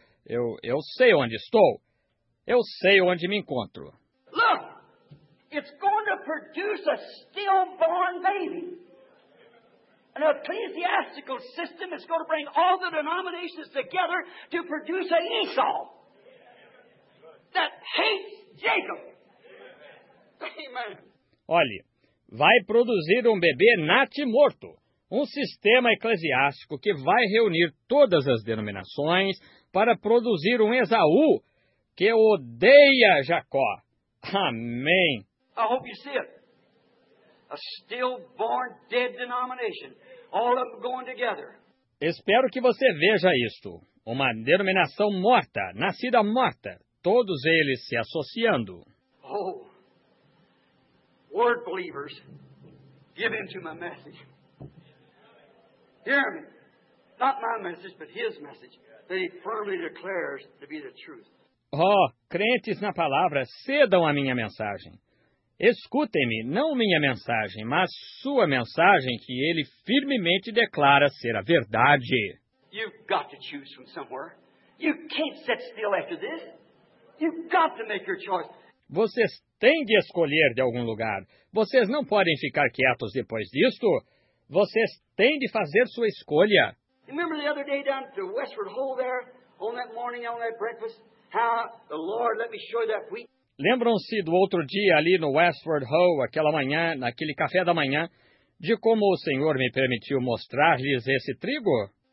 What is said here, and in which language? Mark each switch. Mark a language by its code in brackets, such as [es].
[pt] Eu sei onde estou. Eu sei onde me encontro. [en] Look, it's going to produce a stillborn baby. An ecclesiastical system is going to bring all the denominations together to produce an Esau that hates Jacob. Amen. [pt] Olhe, vai produzir um bebê natimorto, um sistema eclesiástico que vai reunir todas as denominações para produzir um Esaú que odeia Jacó. Amém. [en] I hope you see it. A stillborn dead denomination. All of them going together. [pt] Espero que você veja isto. Uma denominação morta, nascida morta, todos eles se associando. [en] Oh, word believers, give in to my message. Hear me. Not my message, but his message, that he firmly declares to be the truth. [pt] Oh, crentes na palavra, cedam a minha mensagem. Escutem-me, não minha mensagem, mas sua mensagem que ele firmemente declara ser a verdade. [en] You've got to choose from somewhere. You can't sit still after this. You've got to make your choice. [pt] Vocês têm de escolher de algum lugar. Vocês não podem ficar quietos depois disto. Vocês têm de fazer sua escolha. [en] Remember the other day down at the Westward Hole there, on that morning, on that breakfast, how the Lord let me show that wheat. [pt] Lembram-se do outro dia ali no Westward Hall, aquela manhã, naquele café da manhã, de como o Senhor me permitiu mostrar-lhes esse trigo?